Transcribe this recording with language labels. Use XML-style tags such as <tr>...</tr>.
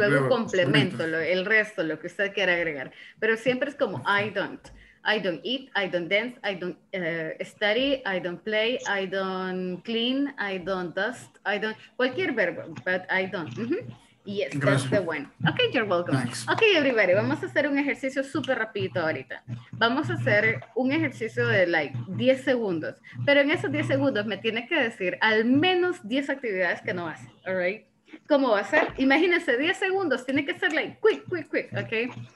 <es>luego verbo, complemento, el resto, lo que usted quiera agregar. Pero siempre es como</es> <en>I don't. I don't eat, I don't dance, I don't study, I don't play, I don't clean, I don't dust, I don't,</en> <es>cualquier verbo,</es> <en>but I don't. Mm-hmm. Yes, gracias. That's the one. Okay, you're welcome. Thanks.</en> <es>Okay, everybody, vamos a hacer un ejercicio súper rapidito ahorita. Vamos a hacer un ejercicio de like 10 segundos, pero en esos 10 segundos me tiene que decir al menos 10 actividades que no hace, all right? ¿Cómo va a ser? Imagínense, 10 segundos, tiene que ser</es> <en>like quick, quick, quick, okay?</en>